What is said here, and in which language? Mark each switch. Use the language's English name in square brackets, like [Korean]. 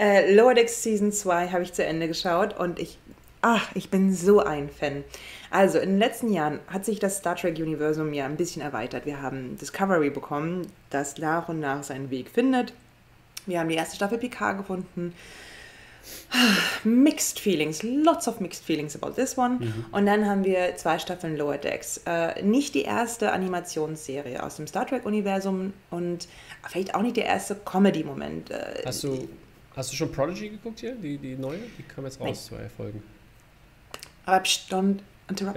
[German] Lower Decks Season 2 habe ich zu Ende geschaut und ich bin so ein Fan. Also in den letzten Jahren hat sich das Star Trek Universum ja ein bisschen erweitert. Wir haben Discovery bekommen, das nach und nach seinen Weg findet. Wir haben die erste Staffel Picard gefunden. [English] Mixed feelings, lots of mixed feelings about this one. [German] Und dann haben wir 2 Staffeln Lower Decks. Nicht die erste Animationsserie aus dem Star Trek-Universum und vielleicht auch nicht der erste Comedy-Moment. Hast du schon Prodigy geguckt hier? Die neue? Die kam jetzt raus, 2 Folgen. Aber stund, interrupt